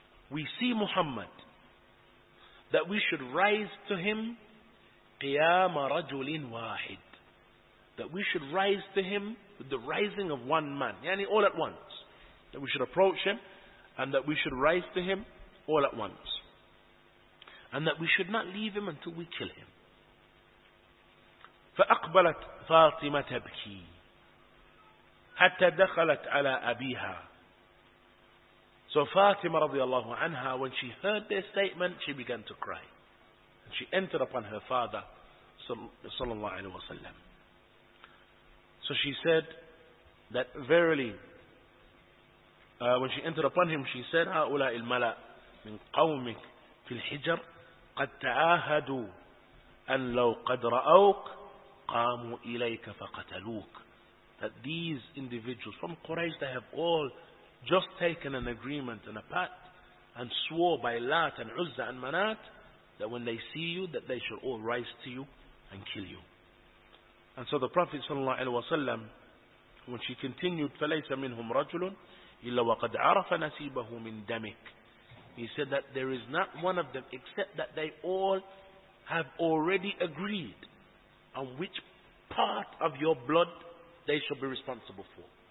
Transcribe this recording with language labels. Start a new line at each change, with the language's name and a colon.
English: we see Muhammad, that we should rise to him
Arabic: قيام رجل واحد,
English: that we should rise to him with the rising of one man, yani all at once, that we should approach him and that we should rise to him all at once, and that we should not leave him until we kill him.
Arabic: فأقبلت فاطمة تبكي حتى دخلت على أبيها.
English: So Fatima radiallahu anha, when she heard their statement, she began to cry. And she entered upon her father, sallallahu alayhi wa sallam. So she said that verily, when she entered upon him, she said,
Arabic: هؤلاء الملأ من قومك في الحجر قد تعاهدوا أن لو قد رأوك قاموا إليك فقتلوك.
English: That these individuals from Quraysh, they have all just taken an agreement and a pact and swore by Lat and Uzza and Manat that when they see you, that they shall all rise to you and kill you. And so the Prophet ﷺ, when she continued,
Arabic: فَلَيْسَ مِنْهُمْ رَجُلٌ إِلَّا وَقَدْ عَرَفَ نَسِيبَهُ مِنْ دَمِكَ,
English: he said that there is not one of them except that they all have already agreed on which part of your blood they shall be responsible for.